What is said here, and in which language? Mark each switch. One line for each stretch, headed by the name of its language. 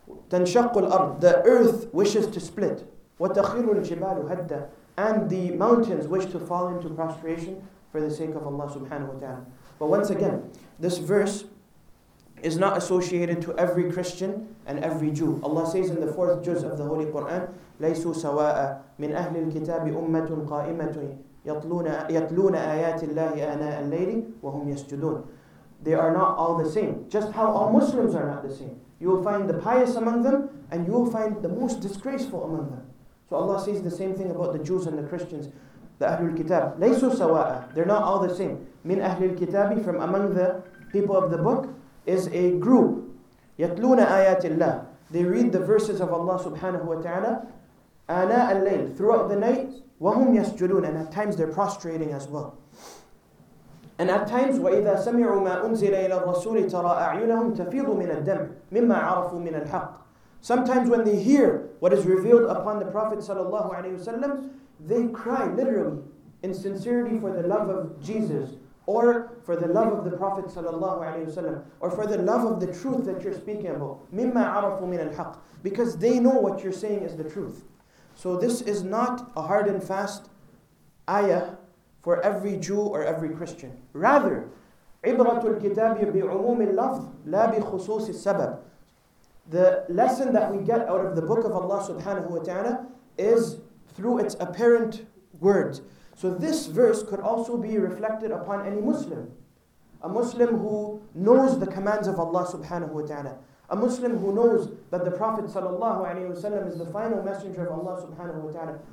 Arabic: تَنْشَقُ الْأَرْضُ,
English: the earth wishes to split.
Arabic: وَتَخِرُ الْجِبَالُ هَدَّهُ,
English: and the mountains wish to fall into prostration for the sake of Allah subhanahu wa ta'ala. But once again, this verse is not associated to every Christian and every Jew. Allah says in the fourth juz of the Holy Quran,
Arabic: لَيْسُوا سَوَاءَ مِنْ أَهْلِ الْكِتَابِ أُمَّةٌ قَائِمَةٌ يَطْلُونَ آيَاتِ اللَّهِ آنَاءَ اللَّيْلِ وَهُمْ يَسْجُدُونَ.
English: They are not all the same. Just how all Muslims are not the same. You will find the pious among them, and you will find the most disgraceful among them. So Allah says the same thing about the Jews and the Christians. The Ahlul Kitab,
Arabic: لَيْسُوا سَوَاءَ,
English: they're not all the same.
Arabic: مِنْ أَهْلِ الْكِتَابِ,
English: from among the people of the book, is a group.
Arabic: يَتْلُونَ آيَاتِ اللَّهِ,
English: they read the verses of Allah subhanahu wa ta'ala,
Arabic: آنَاءَ اللَّيْلِ,
English: throughout the night,
Arabic: وَهُمْ يَسْجُدُونَ,
English: and at times they're prostrating as well. And at times,
Arabic: وَإِذَا سَمِعُوا مَا أُنزِلَ إِلَى الرَّسُولِ تَرَى أَعْيُنَهُمْ تَفِيضُ مِنَ الدَّمْعِ مِمَّا عَرَفُوا مِنَ الْحَقِّ.
English: Sometimes when they hear what is revealed upon the Prophet sallallahu alayhi wasallam, they cry literally in sincerity for the love of Jesus, or for the love of the Prophet sallallahu alayhi wasallam, or for the love of the truth that you're speaking about.
Arabic: مِمَّا عَرَفُوا مِنَ الْحَقِّ,
English: because they know what you're saying is the truth. So this is not a hard and fast ayah for every Jew or every Christian.
Arabic: Rather, عِبْرَةُ الْكِتَابِ بِعُمُومِ اللَّفْظِ لَا بِخُصُوصِ السَّبَبِ.
English: The lesson that we get out of the book of Allah subhanahu wa ta'ala is through its apparent words. So this verse could also be reflected upon any Muslim. A Muslim who knows the commands of Allah subhanahu wa ta'ala. A Muslim who knows that the Prophet sallallahu alayhi wa sallam is the final messenger of Allah subhanahu wa ta'ala.